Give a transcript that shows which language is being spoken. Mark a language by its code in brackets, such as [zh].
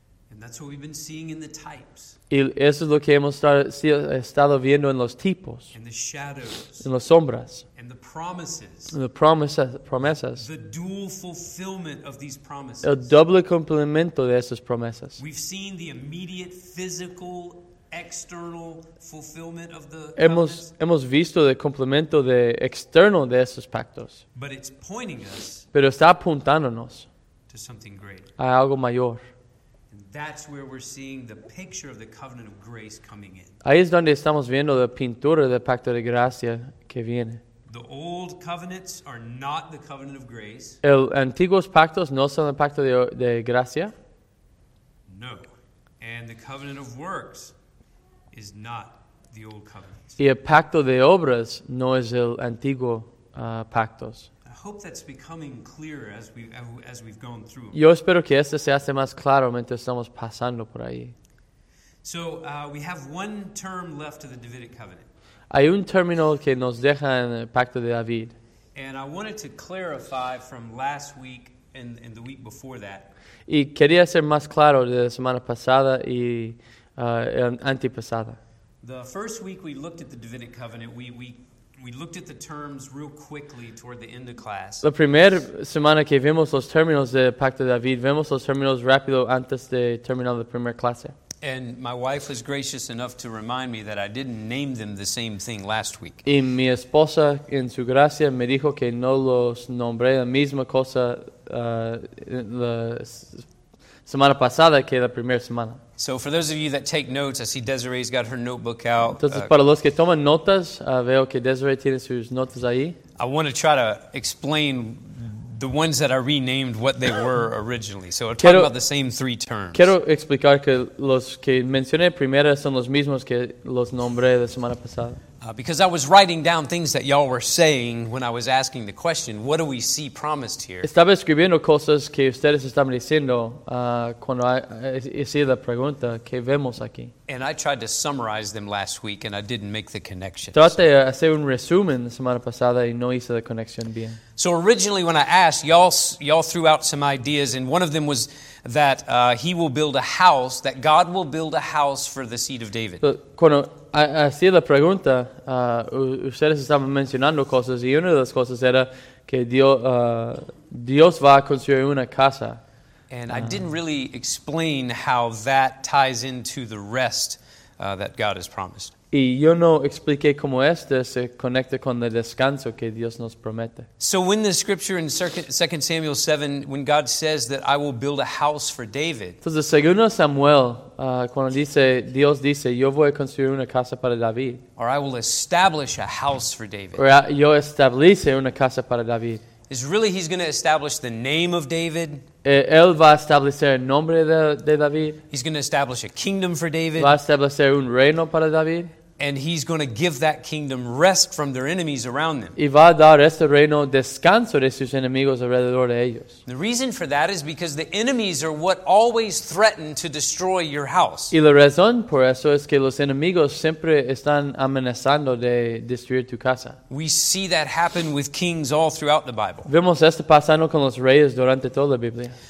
[en] And that's what we've been seeing in the types. [es] Y eso es lo que hemos estado viendo en los tipos. [en] And the shadows. [es] En las sombras. [en] And the promises. [es] En las promesas. [en] The dual fulfillment of these promises. [es] El doble cumplimiento de esas promesas. [en] We've seen the immediate physical external fulfillment of the [es] hemos visto el cumplimiento de externo de esos pactos. [en] But it's pointing us. [es] Pero está apuntándonos. [en] Something great. [es] A algo mayor. [en] And that's where we're seeing the picture of the covenant of grace coming in. [es] Ahí es donde estamos viendo la pintura del pacto de gracia que viene. [en] The old covenants are not the covenant of grace. [es] El antiguos pactos no son el pacto de gracia. No. [en] And the covenant of works is not the old covenant. [es] Y el pacto de obras no es el antiguo pactos. [en] Hope that's becoming clear as we've gone through. [es] Yo espero que esto se hace más claro mientras estamos pasando por ahí. [en] So we have one term left of the Davidic covenant. [es] Hay un término que nos deja en el pacto de David. [en] And I wanted to clarify from last week and the week before that. [es] Y quería ser más claro de la semana pasada y antepasada. [en] The first week we looked at the Davidic covenant, we looked at the terms real quickly toward the end of class. [es] La primera semana que vimos los términos del Pacto de David, vemos los términos rápido antes de terminar la primera clase. [en] And my wife was gracious enough to remind me that I didn't name them the same thing last week. [es] Y mi esposa, en su gracia, me dijo que no los nombré la misma cosa la semana pasada que la primera semana. [en] So for those of you that take notes, I see Desiree's got her notebook out. [es] Entonces, para los que toman notas, veo que Desiree tiene sus notas ahí. [en] I want to try to explain the ones that I renamed what they were originally. So we're talking about the same three terms. [es] Quiero explicar que los que mencioné primero son los mismos que los nombré la semana pasada. [en] Because I was writing down things that y'all were saying when I was asking the question, what do we see promised here? [es] Estaba escribiendo cosas que ustedes estaban diciendo cuando hice la pregunta, ¿qué vemos aquí? [en] And I tried to summarize them last week and I didn't make the connection. [es] Traté de hacer un resumen la semana pasada y no hice la conexión bien. [en] So originally when I asked, y'all threw out some ideas, and one of them was that he will build a house, that God will build a house for the seed of David. [es] Cuando hacía la pregunta, ustedes estaban mencionando cosas, y una de las cosas era que Dios va a construir una casa. [en] And I didn't really explain how that ties into the rest that God has promised. [es] Y yo no expliqué cómo esto se conecta con el descanso que Dios nos promete. [en] So when the scripture in 2 Samuel 7, when God says that I will build a house for David. [es] Entonces, segundo Samuel, cuando dice, Dios dice, yo voy a construir una casa para David. [en] Or I will establish a house for David. [es] Or yo establece una casa para David. [en] Is really he's going to establish the name of David. [es] Él va a establecer el nombre de David. [en] He's going to establish a kingdom for David. [es] Va a establecer un reino para David. [en] And he's going to give that kingdom rest from their enemies around them. [es] Y va a dar este reino descanso de sus enemigos alrededor de ellos. [en] The reason for that is because the enemies are what always threaten to destroy your house. [es] Y la razón por eso es que los enemigos siempre están amenazando de destruir tu casa. [en] We see that happen with kings all throughout the Bible. [es] Vemos esto pasando con los reyes durante toda la Biblia.